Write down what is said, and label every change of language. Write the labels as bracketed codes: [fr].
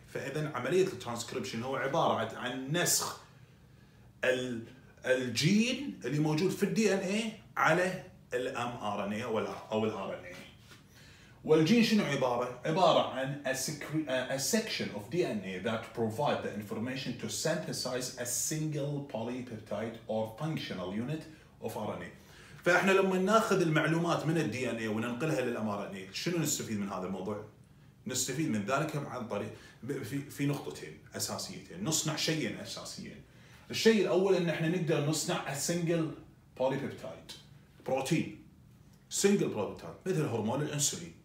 [ar] فإذا عملية الترانسكريبشن هو عبارة عن نسخ الجين اللي موجود في DNA على mRNA أو الRNA. والجين شنو عبارة؟ عبارة عن [en] a section of DNA that provide the information to synthesize a single polypeptide or functional unit of RNA. [ar] فاحنا لما ناخذ المعلومات من الدي ان اي وننقلها للامارني شنو نستفيد من هذا الموضوع؟ نستفيد من ذلك عن طريق في نقطتين اساسيتين، نصنع شيئين اساسيين. الشيء الاول ان احنا نقدر نصنع سنجل بوليبيبتايد بروتين، سنجل بوليبيبتايد مثل هرمون الانسولين.